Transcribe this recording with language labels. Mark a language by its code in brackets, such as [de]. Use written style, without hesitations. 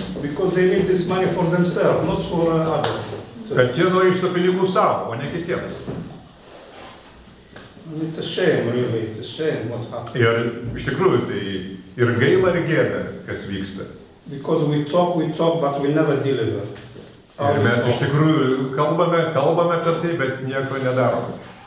[en] Because they need this money for themselves, not for others. [lt] Kad jie nori iš to pinigų savo, o ne kitiems. [en] It's a shame, really, it's a shame what's happening. [lt] Ir iš tikrųjų, tai ir gaila, ir gėda, kas vyksta. [en] Because we talk, but we never deliver. [lt] Ir mes iš tikrųjų kalbame apie tai, bet nieko nedarome.